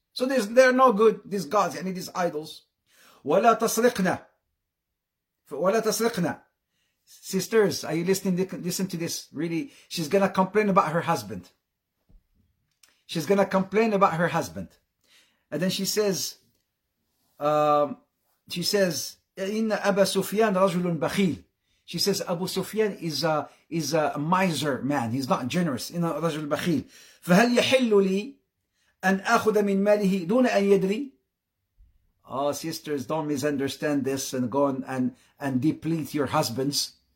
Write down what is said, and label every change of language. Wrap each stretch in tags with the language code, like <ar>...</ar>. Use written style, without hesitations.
<en>So they're no good, these gods, any of these idols.</en> <ar>وَلَا تَسْرِقْنَا وَلَا تَسْرِقْنَا.</ar> <en>Sisters, are you listening? Listen to this, really. She's going to complain about her husband. She's going to complain about her husband. And then she says,</en> <ar>إِنَّ أَبَا سُفْيَانَ رَجُلٌ بَخِيلٌ.</ar> <en>She says, Abu Sufyan is a miser man. He's not generous.</en> <ar>In a rajul bakhil. فَهَلْ يَحِلُّ لِي أَنْ أَخُذَ مِنْ مَالِهِ دُونَ أَنْ يَدْرِي.</ar> <en>Oh, sisters, don't misunderstand this and go on and deplete your husbands.</en>